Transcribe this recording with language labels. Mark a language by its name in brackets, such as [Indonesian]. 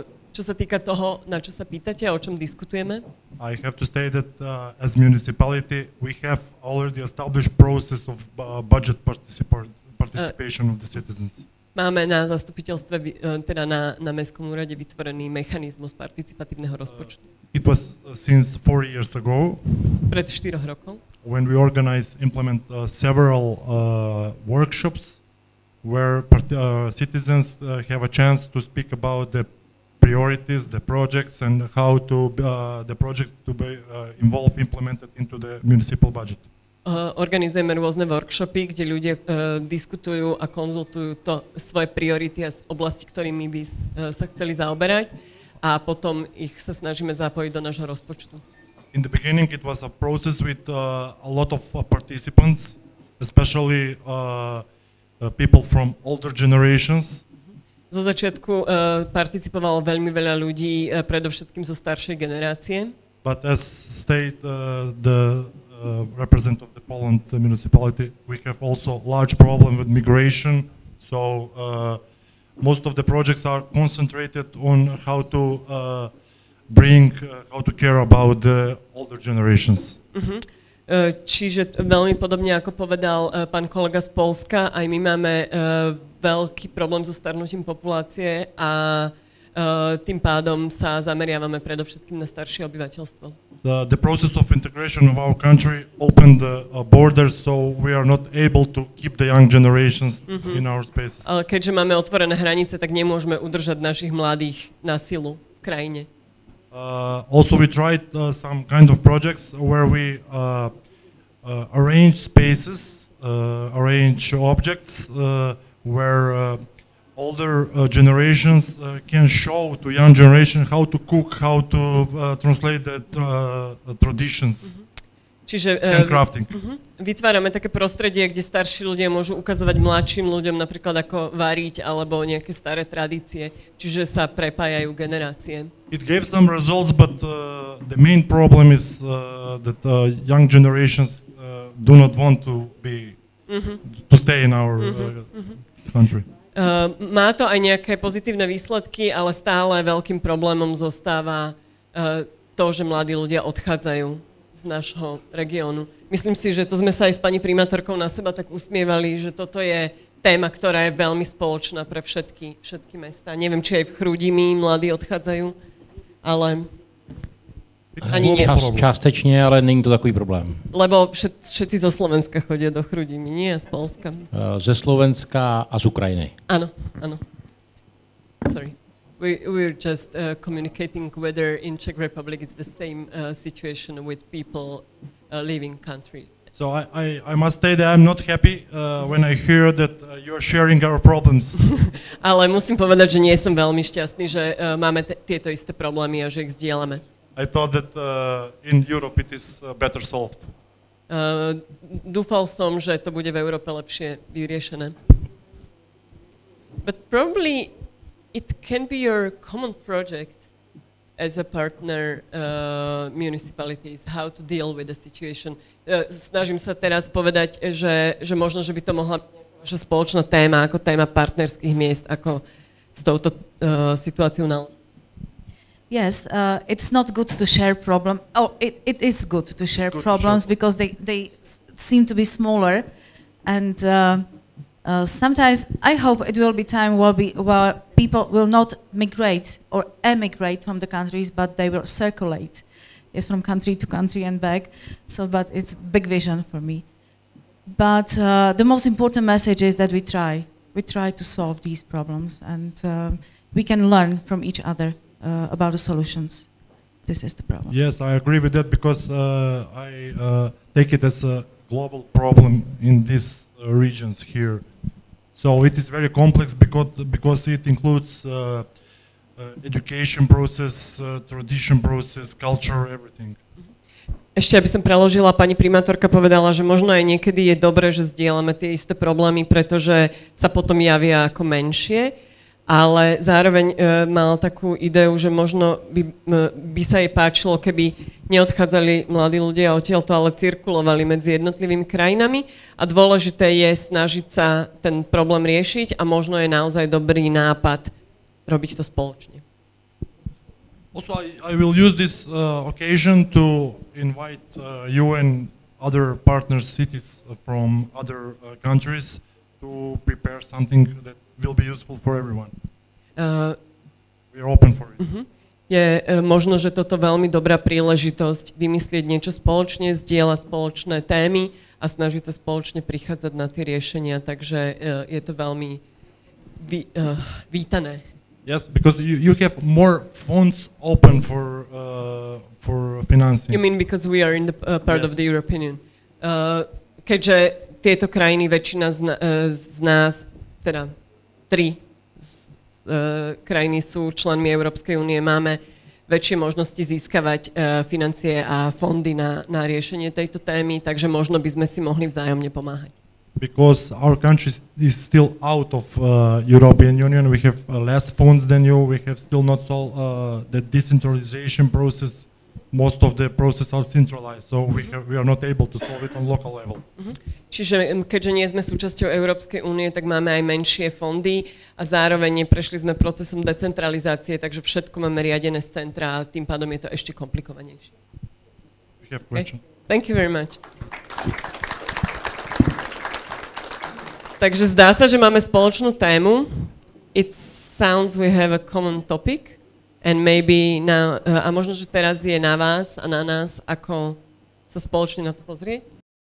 [Slovak] Čo sa týka toho, na čo sa pýtate a o čom diskutujeme? [English] I have to state that as municipality we have already established process of budget participation of the citizens. [Slovak] Máme na zastupiteľstve, teda na mestskom úrade vytvorený mechanizmus participatívneho rozpočtu. [English] It was since 4 years ago. [Slovak] Pred 4 rokov. [English] When we organized implement several workshops where citizens have a chance to speak about the priorities, the projects and how to the project to be involved implemented into the municipal budget. [Slovak] Organizujeme rôzne workshopy, kde ľudia diskutujú a konzultujú to svoje priority a oblasti, ktorými by sa chceli zaoberať a potom ich sa snažíme zapojiť do nášho rozpočtu. [English] In the beginning it was a process with a lot of participants, especially people from older generations. [Slovak] Zo začiatku participovalo veľmi veľa ľudí, predovšetkým zo staršej generácie. [English] But as state the representative of the Poland municipality, we have also large problem with migration, so most of the projects are concentrated on how to bring how to care about the older generations. [Slovak] Čiže veľmi podobne, ako povedal pán kolega z Polska, aj my máme veľký problém so starnutím populácie a tým pádom sa zameriavame predovšetkým na staršie obyvateľstvo. [English] The process of integration of our country opened the borders, so we are not able to keep the young generations in our spaces. [Slovak] Ale keďže máme otvorené hranice, tak nemôžeme udržať našich mladých na silu v krajine. [English] Also we tried some kind of projects where we arrange spaces, arrange objects where older generations can show to young generation how to cook, how to translate the traditions. [Slovak] Čiže [English] crafting. [Slovak] Vytvárame také prostredie, kde starší ľudia môžu ukazovať mladším ľuďom napríklad ako variť alebo nejaké staré tradície, čiže sa prepájajú generácie. [English] It gave some results, but the main problem is that young generations do not want to be to stay in our country. [Slovak] Má to aj nejaké pozitívne výsledky, ale stále veľkým problémom zostáva to, že mladí ľudia odchádzajú z nášho regiónu. Myslím si, že to sme sa aj s pani primátorkou na seba tak usmievali, že toto je téma, ktorá je veľmi spoločná pre všetky mesta. Neviem, či aj v Chrudimi mladí odchádzajú, ale ani nie. [Czech] Častečne, ale není to takový problém. [Slovak] Lebo všetci zo Slovenska chodia do Chrudimi, nie z Polska. [Czech] Ze Slovenska a z Ukrajiny. [Slovak] Áno, áno. Sorry. [English] We're just communicating whether in Czech Republic it's the same situation with people leaving country. So I must say that I'm not happy when I hear that you're sharing our problems. [Slovak] Ale musím povedať, že nie som veľmi šťastný, že máme tieto isté problémy a že ich zdieľame. [English] I thought that in Europe it is better solved. [Slovak] Dúfal som, že to bude v Európe lepšie vyriešené. [English] But probably it can be your common project as a partner municipalities, how to deal with the situation. [Slovak] Snažím sa teraz povedať, že možno, že by to mohla byť naša spoločná téma, ako téma partnerských miest, ako s touto situáciou na... [English] Yes, it's not good to share problem. It is good to share problems. Because they seem to be smaller, and sometimes I hope it will be time where people will not migrate or emigrate from the countries, but they will circulate, yes, from country to country and back. So, but it's big vision for me. But the most important message is that we try to solve these problems, and we can learn from each other. About the solutions, this is the problem. Yes, I agree with that because I take it as a global problem in these regions here. So it is very complex because it includes education process, tradition process, culture, everything. [Slovak] Ešte aby som preložila, pani primátorka povedala, že možno aj niekedy je dobré, že zdieľame tie isté problémy, pretože sa potom javia ako menšie. Ale zároveň mal takú ideu, že možno by sa jej páčilo, keby neodchádzali mladí ľudia odtiaľto, ale cirkulovali medzi jednotlivými krajinami. A dôležité je snažiť sa ten problém riešiť a možno je naozaj dobrý nápad robiť to spoločne. [English] Also, I will use this occasion to invite you and other partner cities from other countries to prepare something that will be useful for everyone. We are open for it. [Slovak] Je možno, že toto veľmi dobrá príležitosť vymyslieť niečo spoločne, zdieľať spoločné témy a snažiť sa spoločne prichádzať na tie riešenia, takže je to veľmi vítané. [English] Yes, because you have more funds open for financing. You mean because we are in the part, yes, of the European Union. [Slovak] Keďže tieto krajiny väčšina z nás, teda tri krajiny sú členmi Európskej únie, máme väčšie možnosti získavať financie a fondy na riešenie tejto témy, takže možno by sme si mohli vzájomne pomáhať. [English] Because our country is still out of European Union, we have less funds than you, we have still not all the decentralization process, most of the process are centralized, so we are not able to solve it on local level. [Slovak] Čiže keďže nie sme súčasťou Európskej únie, tak máme aj menšie fondy a zároveň neprešli sme procesom decentralizácie, takže všetko máme riadené z centra a tým pádom je to ešte komplikovanejšie. [English] We have question. Okay. Thank you very much. [Slovak] Takže zdá sa, že máme spoločnú tému. [English] It sounds we have a common topic. And maybe now, [Slovak] a možno, že teraz je na vás a na nás, ako sa spoločne na to pozrieť.